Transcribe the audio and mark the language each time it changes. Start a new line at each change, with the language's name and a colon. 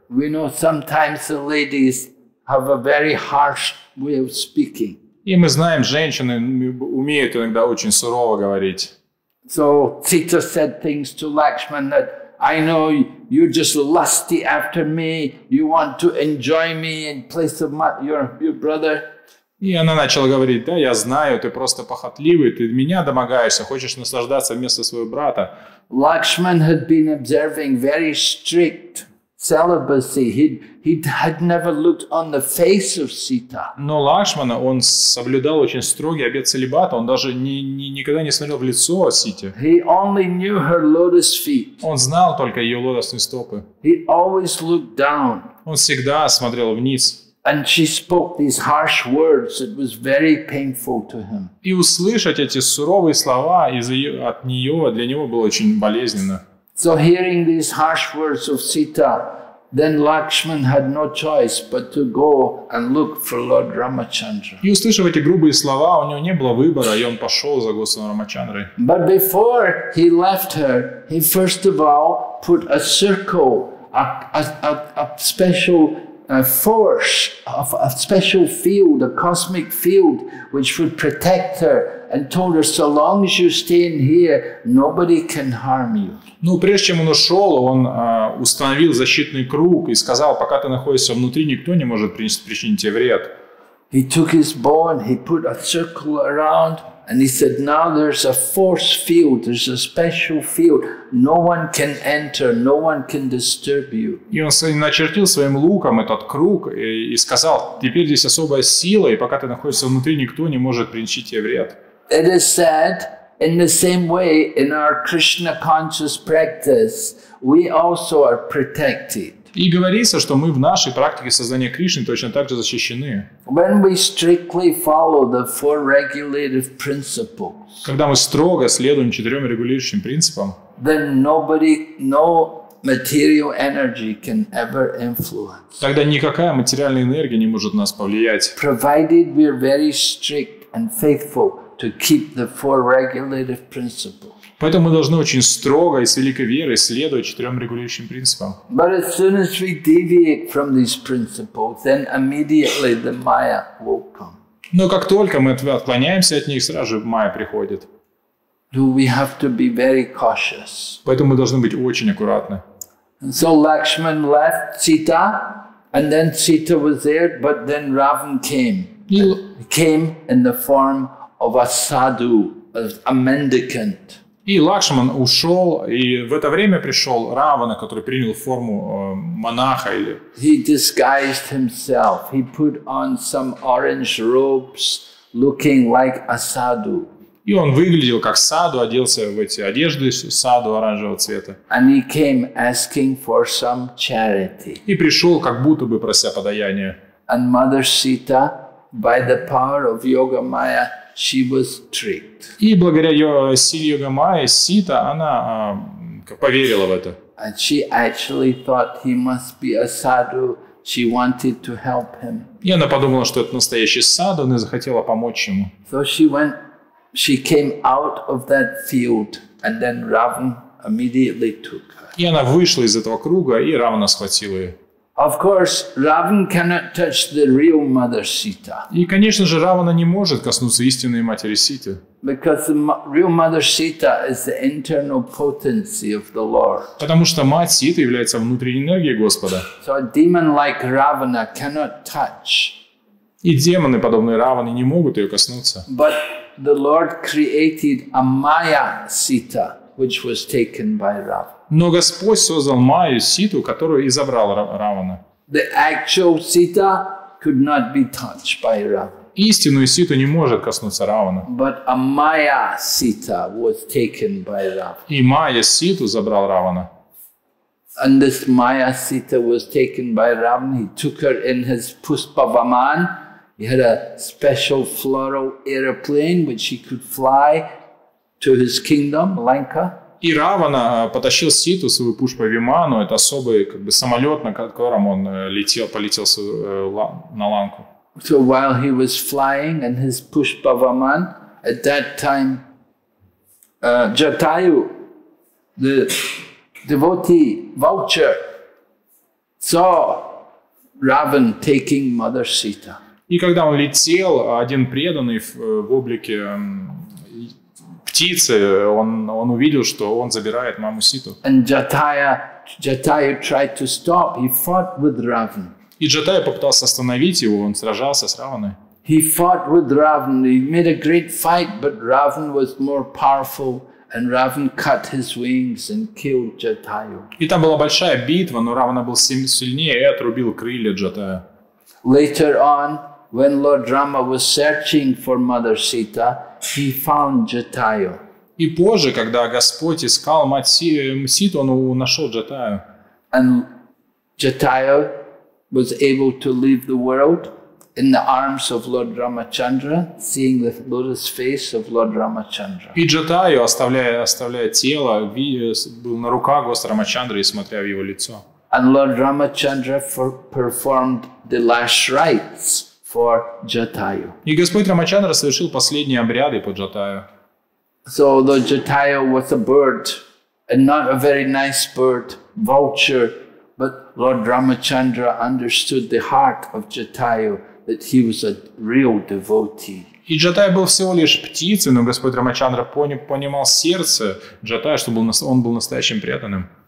English: We know sometimes the ladies have a very harsh way of speaking.
Russian: И мы знаем, женщины умеют иногда очень сурово говорить.
English: So Sita said things to Lakshman that I know you're just lusty after me. You want to enjoy me in place of your brother.
Russian: И она начала говорить: да, я знаю, ты просто похотливый, ты меня домогаешься, хочешь наслаждаться вместо своего брата.
English: Lakshman had been observing very strict celibacy. He had never looked on the face of Sita.
Russian: Но Лакшмана, он соблюдал очень строгий обет целибата, он даже никогда не смотрел в лицо Сите.
English: He only knew her lotus feet.
Russian: Он знал только ее лотосные стопы.
English: He always looked down.
Russian: Он всегда смотрел вниз.
English: And she spoke these harsh words. It was very painful to him.
Russian: И услышать эти суровые слова от нее для него было очень болезненно.
English: So hearing these harsh words of Sita, then Lakshman had no choice but to go and look for Lord Ramachandra.
Russian: И услышав эти грубые слова, у него не было выбора, и он пошел за Господом Рамачандрой.
English: But before he left her, he first of all put a circle, a special field, a cosmic field, which would protect her, and told her, so long as you stay in here, nobody can harm you.
Russian: Ну, прежде чем он ушел, он установил защитный круг и сказал: пока ты находишься внутри, никто не может причинить тебе вред.
English: He took his bow and he put a circle around, and he said, now there's a force field, there's a special field. No one can enter, no one can disturb you.
Russian: И он начертил своим луком этот круг и сказал: теперь здесь особая сила, и пока ты находишься внутри, никто не может причинить тебе вред.
English: It is said, in the same way, in our Krishna conscious practice, we also are protected.
Russian: И говорится, что мы в нашей практике сознания Кришны точно так же защищены.
English: When we strictly follow the four regulative principles,
Russian: когда мы строго следуем четырем регулирующим принципам,
English: then nobody, no material energy can ever influence.
Russian: Тогда никакая материальная энергия не может нас повлиять.
English: Provided we are very strict and faithful to keep the four regulative principles.
Russian: Поэтому мы должны очень строго и с великой верой следовать четырем регулирующим принципам.
English: But as soon as we deviate from these principles, then immediately the Maya will come.
Russian: Но как только мы отклоняемся от них, сразу же Майя приходит.
English: Do we have to be very cautious?
Russian: Поэтому мы должны быть очень аккуратны.
English: So Lakshman left Sita, and then Sita was there, but then Ravan came. He came in the form of a sadhu, a mendicant.
Russian: И Лакшман ушел, и в это время пришел Равана, который принял форму монаха. Или...
English: He disguised himself. He put on some orange robes, looking like a sadhu.
Russian: И он выглядел как саду, оделся в эти одежды саду оранжевого цвета.
English: And he came asking for some charity.
Russian: И пришел, как будто бы прося подаяния.
English: And Mother Sita, by the power of Yoga Maya, she was tricked.
Russian: И благодаря силе Йога Майи Сита она поверила в это.
English: And she actually thought he must be a sadhu. She wanted to help him.
Russian: И она подумала, что это настоящий саду, она захотела помочь ему.
English: So she went. She came out of that field, and then Ravan immediately took her.
Russian: И она вышла из этого круга, и Равана схватил ее.
English: Of course, Ravan cannot touch the real Mother Sita.
Russian: И, конечно же, Равана не может коснуться истинной матери Ситы.
English: Because the real Mother Sita is the internal potency of the Lord.
Russian: Потому что мать Ситы является внутренней энергией Господа.
English: So a demon like Ravana cannot touch.
Russian: И демоны, подобные Раване, не могут ее коснуться.
English: But the Lord created a Maya Sita, which was taken by Ravana.
Russian: Но Господь создал Майю Ситу, которую и забрал Равана.
English: The actual Sita could not be touched by Ravana.
Russian: Истинную Ситу не может коснуться Равана.
English: But a Maya Sita was taken by Ravana.
Russian: И Майя Ситу забрал Равана.
English: And this Maya Sita was taken by Ravana. He took her in his Puspavaman. He had a special floral aeroplane which he could fly to his kingdom, Lanka.
Russian: И Равана потащил Ситу, свою пушпа-виману, это особый как бы, самолет, на котором он летел, полетел на Ланку.
English: So while he was flying in his pushpa-viman, at that time, Jatayu, the devotee vulture, saw Ravan taking Mother Sita.
Russian: И когда он летел, один преданный в облике птицы, он увидел, что он забирает маму Ситу.
English: And Jataya tried to stop. He fought with Ravan.
Russian: И Джатая попытался остановить его, он сражался с Раваной.
English: He fought with Ravan. He made a great fight, but Ravan was more powerful, and Ravan cut his wings and killed Jatayu.
Russian: И там была большая битва, но Равана был сильнее и отрубил крылья Джатая.
English: Later on, when Lord Rama was searching for Mother Sita, he found Jatayu.
Russian: И позже, когда Господь искал мать Ситу, он нашел Джатаю.
English: And Jatayu was able to leave the world in the arms of Lord Ramachandra, seeing the lotus face of Lord Ramachandra.
Russian: И Джатаю, оставляя тело, был на руках Господа Рамачандры и смотря в его лицо.
English: And Lord Ramachandra performed the last rites for Jatayu.
Russian: И Господь Рамачандра совершил последние обряды по Джатаю.
English: So the Jatayu was a bird, and not a very nice bird, vulture, but Lord Ramachandra understood the heart of Jatayu, that he was a real devotee.
Russian: И Джатая был всего лишь птицей, но Господь Рамачандра понимал сердце Джатая, что он был настоящим преданным.